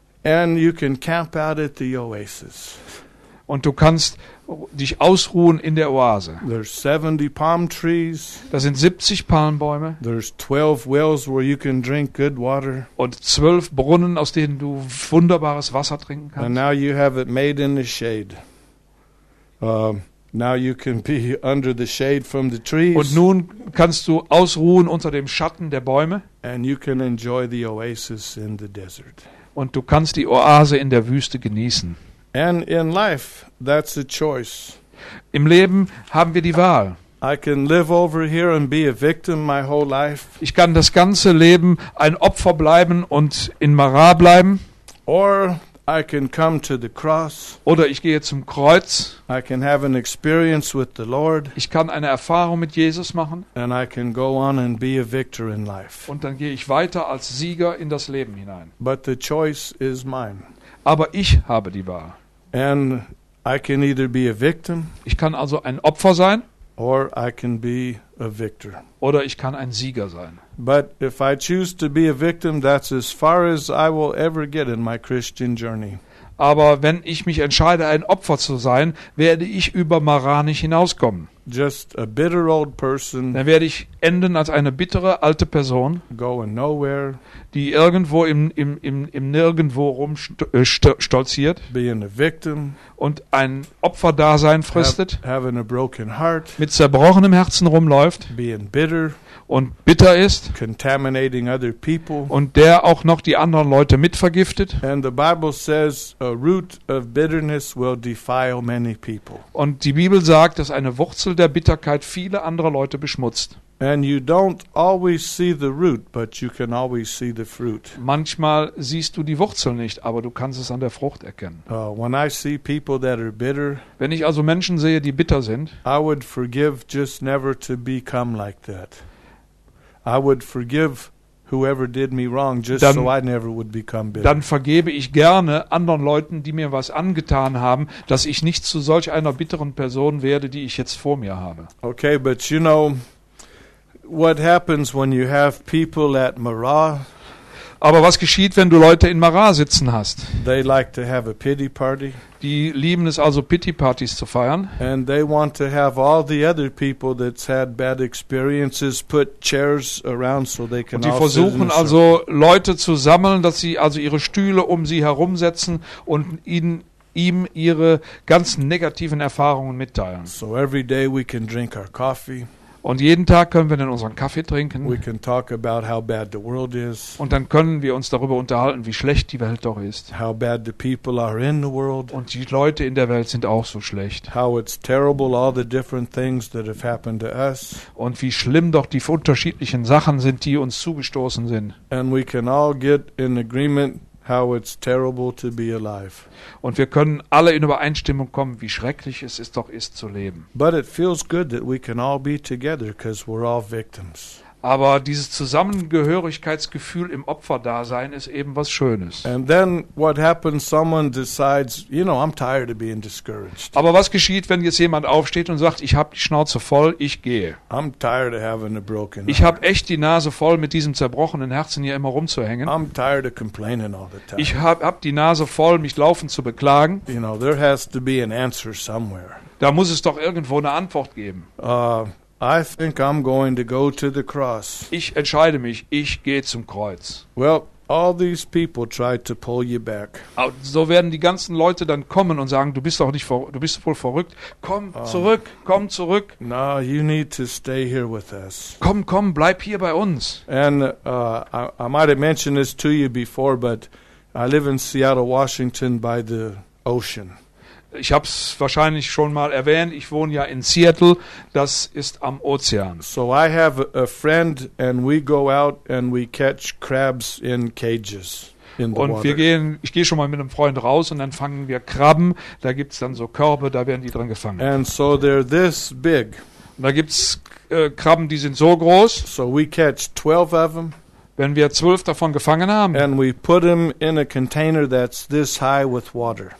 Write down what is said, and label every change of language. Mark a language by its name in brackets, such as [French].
[English] And you can camp out at the oasis. [German] Und du kannst dich ausruhen in der Oase. [English] There's 70 palm trees. [German] Da sind 70 Palmbäume. [English] There's 12 wells where you can drink good water. [German] Und 12 Brunnen, aus denen du wunderbares Wasser trinken kannst. [English] And now you have it made in the shade. Now you can be under the shade from the trees. [German] Und nun kannst du ausruhen unter dem Schatten der Bäume. [English] And you can enjoy the oasis in the desert. [German] Und du kannst die Oase in der Wüste genießen. [English] And in life, that's a choice. [German] Im Leben haben wir die Wahl. [English] I can live over here and be a victim my whole life. [German] Ich kann das ganze Leben ein Opfer bleiben und in Marah bleiben. [English] Or I can come to the cross. [German] Oder ich gehe zum Kreuz. [English] I can have an experience with the Lord. [German] Ich kann eine Erfahrung mit Jesus machen. [English] And I can go on and be a victor in life. [German] Und dann gehe ich weiter als Sieger in das Leben hinein. [English] But the choice is mine. [German] Aber ich habe die Wahl. [English] And I can either be a victim. [German] Ich kann also ein Opfer sein. [English] Or I can be a victor. [German] Oder ich kann ein Sieger sein. [English] But if I choose to be a victim, that's as far as I will ever get in my Christian journey. [German] Aber wenn ich mich entscheide, ein Opfer zu sein, werde ich über Marah nicht hinauskommen. [English] Just a bitter old person. [German] Dann werde ich enden als eine bittere alte Person, [English] going nowhere, [German] die irgendwo im Nirgendwo rumstolziert, [English] being a victim, [German] und ein Opferdasein fristet, [English] having a broken heart, [German] mit zerbrochenem Herzen rumläuft, [English] being bitter, [German] und bitter ist, [English] contaminating other people, [German] und der auch noch die anderen Leute mitvergiftet. [English] And the Bible says a root of bitterness will defile many people. [German] Und die Bibel sagt, dass eine Wurzel der Bitterkeit viele andere Leute beschmutzt. [English] And you don't always see the root, but you can always see the fruit. [German] Manchmal siehst du die Wurzel nicht, aber du kannst es an der Frucht erkennen. [English] When I see people that are bitter, [German] wenn ich also Menschen sehe, die bitter sind, [English] I would forgive just never to become like that. I would forgive whoever did me wrong, just [German] dann, [English] so I never would become bitter. [German] Dann vergebe ich gerne anderen Leuten, die mir was angetan haben, dass ich nicht zu solch einer bitteren Person werde, die ich jetzt vor mir habe. [English] Okay, but you know what happens when you have people at Marah? [German] Aber was geschieht, wenn du Leute in Marah sitzen hast? [English] They like to have a pity party. [German] Die lieben es also, Pity Parties zu feiern. [English] And they want to have all the other people that's had bad experiences put chairs around so they can. [German] Und die versuchen also Leute zu sammeln, dass sie also ihre Stühle um sie herumsetzen und ihnen ihm ihre ganzen negativen Erfahrungen mitteilen. [English] So every day we can drink our coffee. [German] Und jeden Tag können wir dann unseren Kaffee trinken. [English] We can talk about how bad the world is. [German] Und dann können wir uns darüber unterhalten, wie schlecht die Welt doch ist. [English] How bad the people are in the world. [German] Und die Leute in der Welt sind auch so schlecht. [English] How it's terrible, all the different things that have happened to us. [German] Und wie schlimm doch die unterschiedlichen Sachen sind, die uns zugestoßen sind. [English] And we can all get in agreement how it's terrible to be alive. [German] Und wir können alle in Übereinstimmung kommen, wie schrecklich es ist doch ist zu leben. [English] But it feels good that we can all be together because we're all victims. [German] Aber dieses Zusammengehörigkeitsgefühl im Opferdasein ist eben was Schönes. [English] And then what happens, someone decides, you know, I'm tired of being discouraged. [German] Aber was geschieht, wenn jetzt jemand aufsteht und sagt, ich habe die Schnauze voll, ich gehe. [English] I'm tired of having a broken heart. [German] Ich habe echt die Nase voll, mit diesem zerbrochenen Herzen hier immer rumzuhängen. [English] I'm tired of complaining all the time. [German] Ich hab die Nase voll, mich laufend zu beklagen. [English] You know, there has to be an answer somewhere. [German] Da muss es doch irgendwo eine Antwort geben. [English] I think I'm going to go to the cross. [German] Ich entscheide mich, ich gehe zum Kreuz. [English] Well, all these people try to pull you back. [German] So werden die ganzen Leute dann kommen und sagen, du bist wohl verrückt. Komm zurück. [English] No, you need to stay here with us. [German] Komm, bleib hier bei uns. [English] And I might have mentioned this to you before, but I live in Seattle, Washington by the ocean. [German] Ich habe es wahrscheinlich schon mal erwähnt. Ich wohne ja in Seattle. Das ist am Ozean. [English] So I have a friend and we go out and we catch crabs in cages in the water. [German] Ich gehe schon mal mit einem Freund raus und dann fangen wir Krabben. Da gibt es dann so Körbe, da werden die drin gefangen. [English] And so they're this big. [German] Und da gibt es Krabben, die sind so groß. [English] So we catch 12 of them. [German] Wenn wir 12 davon gefangen haben. [English] And we put them in a container that's this high with water.